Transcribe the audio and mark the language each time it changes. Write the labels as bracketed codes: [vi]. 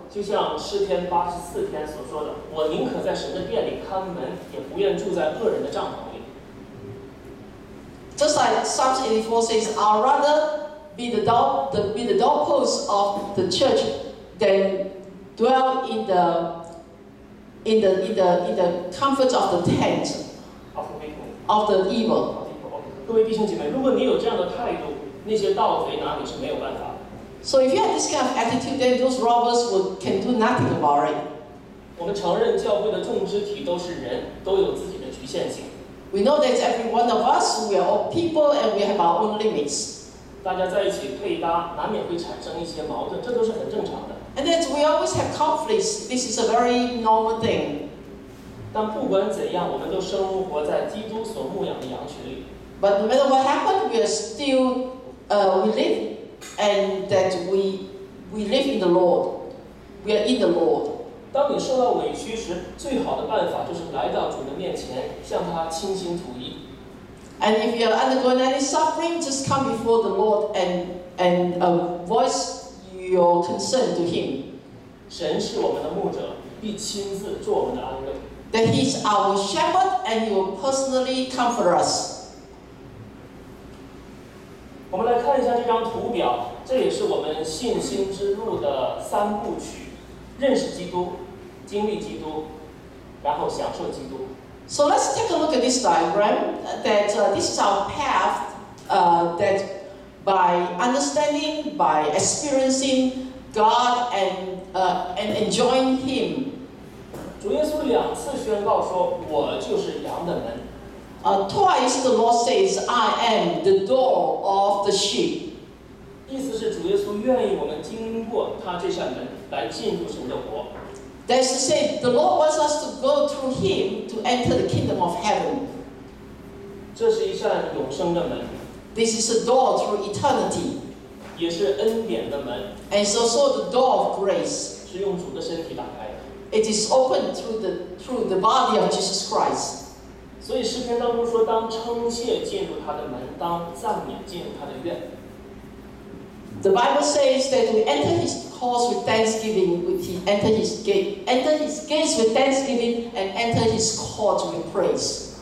[zh] 就像诗篇八十四篇所说的，我宁可在神的殿里看门，也不愿住在恶人的帐篷。 [en] Just like Psalms 84 says, I'd rather be the doorpost of the church than dwell in the comfort of the tent of the evil. [zh] 各位弟兄姐妹，如果你有这样的态度，那些盗贼拿你是没有办法。 [en] So if you have this kind of attitude, then those robbers can do nothing about it. [zh] 我们承认教会的众肢体都是人，都有自己的局限性。 [en] We know that every one of us, we are all people and we have our own limits. [zh] 大家在一起配搭，难免会产生一些矛盾，这都是很正常的。 [en] And that we always have conflicts. This is a very normal thing. [zh] 但不管怎样，我们都生活在基督所牧养的羊群里。 [en] But no matter what happened, we are still, we live, and that we live in the Lord. We are in the Lord. [zh] 当你受到委屈时，最好的办法就是来到主的面前，向他倾心吐意。 [en] And if you are undergoing any suffering, just come before the Lord and voice your concern to Him. [zh] 神是我们的牧者，必亲自做我们的安慰。 [en] That He is our shepherd and He will personally comfort us. [zh] 我们来看一下这张图表，这也是我们信心之路的三部曲。认识基督，经历基督，然后享受基督。 [en] So let's take a look at this diagram. This is our path. That by understanding, by experiencing God and enjoying Him. [zh] 主耶稣两次宣告说：“我就是羊的门。” [en] Twice the Lord says, "I am the door of the sheep." [zh] 意思是主耶稣愿意我们经过他这扇门。来进入神的国。 [en] That's to say, the Lord wants us to go through Him to enter the kingdom of heaven. [zh] 这是一扇永生的门。 [en] This is a door through eternity. [zh] 也是恩典的门。 [en] And it's also the door of grace. [zh] 是用主的身体打开的。 [en] It is open through the body of Jesus Christ. [zh] 所以诗篇当中说，当称谢进入他的门，当赞美进入他的院。 [en] The Bible says that we enter His courts with thanksgiving, enter His gates with thanksgiving, and enter His courts with praise.